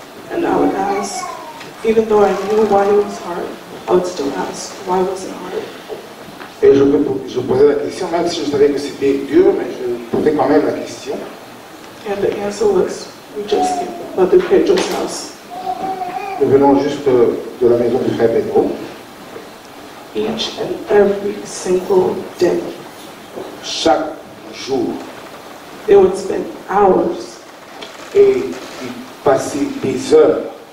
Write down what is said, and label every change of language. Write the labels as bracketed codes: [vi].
[en] And I would ask, even though I knew why it was hard, I would still ask, why was it hard? [fr] Et je posais la question, même si je savais que c'était dur, mais je posais quand même la question. [en] And the answer was, we just came from the Pedro's house. [fr] Nous venons juste de la maison du frère Pedro. [en] Each and every single day. [fr] Chaque jour. [en] They would spend hours. [fr] Et ils passaient des heures.